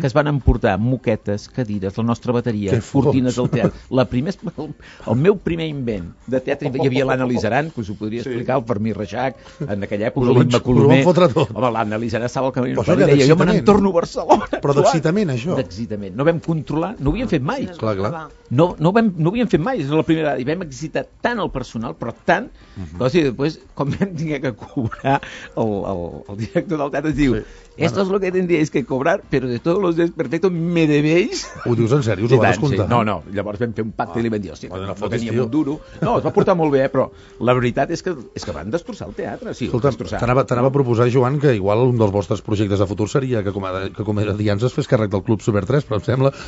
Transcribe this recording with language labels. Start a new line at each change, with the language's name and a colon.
Catalan: Que es van emportar moquetes, cadires, la nostra bateria, cortines del teatre, el meu primer invent de teatre, hi havia l'Anna Lizaran, que us ho podria explicar, sí. El Fermí Reixac, en aquella època, l'Imma Colomer, l'Anna Lizaran estava al camí, i deia, jo me n'entorno a Barcelona. Però d'excitament, això? D'excitament, no vam controlar, no ho havíem fet mai. Clar, clar. No ho havíem fet mai, és la primera vegada, i vam excitar tant el personal, però tant, que o sigui, després, com vam haver de cobrar el director del teatre, diu, sí.
Spanish: Esto es lo que tendríais que cobrar, pero de todos los desperfectos me debéis.
Catalan: Ho dius en sèrio, us ho vas contar? Sí. No, llavors vam fer un pacte i li vam dir, hòstia, no teníem un duro. No, es va portar molt bé, però la veritat és que van destrossar el teatre. Sí, escolta, t'anava a proposar, Joan, que igual un dels vostres projectes de futur seria que com era dient, es fes càrrec del Club Super 3, però em sembla...